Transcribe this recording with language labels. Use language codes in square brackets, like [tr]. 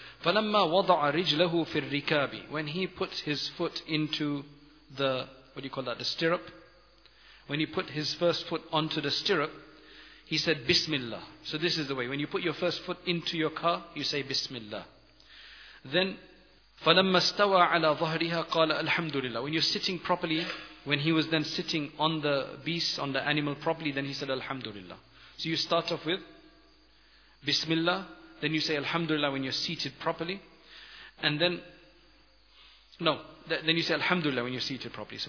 [ar] فَلَمَّا وَضَعَ رِجْلَهُ فِي الرِّكَابِ. [en] When he put his foot into the, what do you call that, the stirrup. When he put his first foot onto the stirrup, he said, Bismillah. So this is the way. When you put your first foot into your car, you say, Bismillah. [ar] Then, فَلَمَّا اسْتَوَى عَلَى ظَهْرِهَا قَالَ الْحَمْدُ لِلَّهِ. [en] When you're sitting properly, when he was then sitting on the beast, on the animal properly, then he said, Alhamdulillah. So you start off with Bismillah, then you say Alhamdulillah when you're seated properly, and then, then you say Alhamdulillah when you're seated properly.